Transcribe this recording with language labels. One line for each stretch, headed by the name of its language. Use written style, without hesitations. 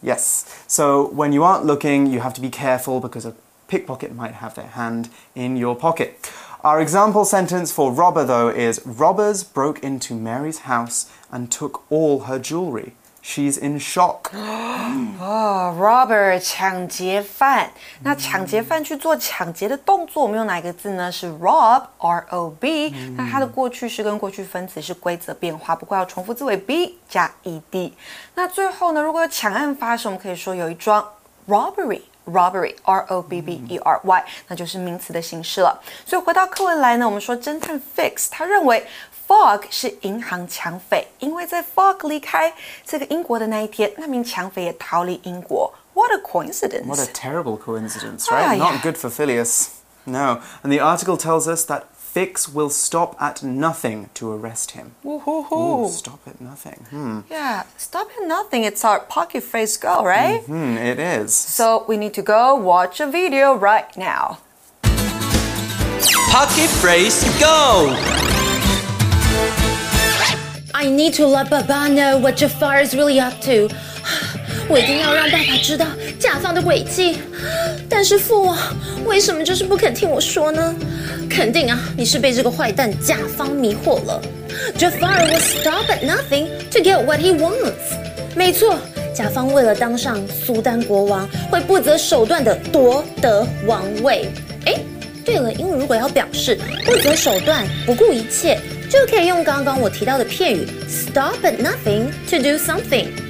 English: Yes. So when you aren't looking, you have to be careful because a pickpocket might have their hand in your pocket. Our example sentence for robber, though, is robbers broke into Mary's house and took all her jewelry. She's in shock. Robber, 抢劫犯。
Chinese: 那抢劫犯去做抢劫的动作，我们用哪个字呢？是 rob, R-O-B。那它的过去式跟过去分词是规则变化，不过要重复字尾 b 加 ed。那最后呢，如果有抢案发生，我们可以说有一桩 robbery。 Robbery, R-O-B-B-E-R-Y, 那就是名词的形式了。所以回到课文来呢，我们说侦探 Fix, 他认为 Fogg 是银行抢匪，因为在 Fogg 离开这个英国的那一天，那名抢匪也逃离英国。
English: What a coincidence! What a terrible coincidence, right? Not good for Phileas. No. And the article tells us that Fix will stop at nothing to arrest him. Woo-hoo-hoo. Ooh, stop at nothing. Stop at nothing. It's our pocket phrase girl, right? It is. So we need to go watch a video right now. Pocket phrase go! I need to let Baba know what Jafar is really up to.
Chinese: 我一定要让爸爸知道甲方的诡计。但是父王为什么就是不肯听我说呢？肯定啊，你是被这个坏蛋甲方迷惑了。
English: Jafar will stop at nothing to get what he wants.
Chinese: 没错，甲方为了当上苏丹国王，会不择手段的夺得王位。哎，对了，因为如果要表示不择手段、不顾一切，就可以用刚刚我提到的片语
English: stop at nothing to do something.